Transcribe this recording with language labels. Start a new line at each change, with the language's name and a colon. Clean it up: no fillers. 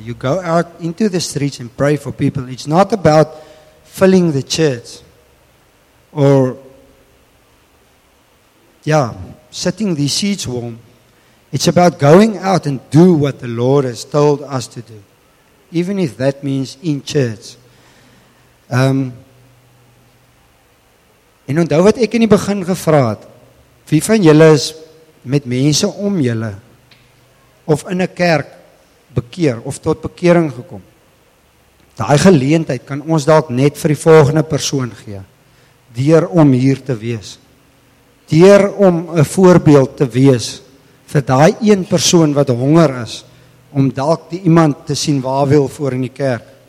English: You go out into the streets and pray for people. It's not about filling the church or, yeah, setting the seats warm. It's about going out and do what the Lord has told us to do, even if that means in church.
Afrikaans: En onthou wat ek in die begin gevra het, wie van julle is met mense om julle of in 'n kerk bekeer of tot bekering gekom. Daai geleentheid kan ons dalk net vir die volgende persoon gee deur om hier te wees. Deur om 'n voorbeeld te wees vir daai een persoon wat honger is om dalk die iemand te sien waar wil voor in die kerk.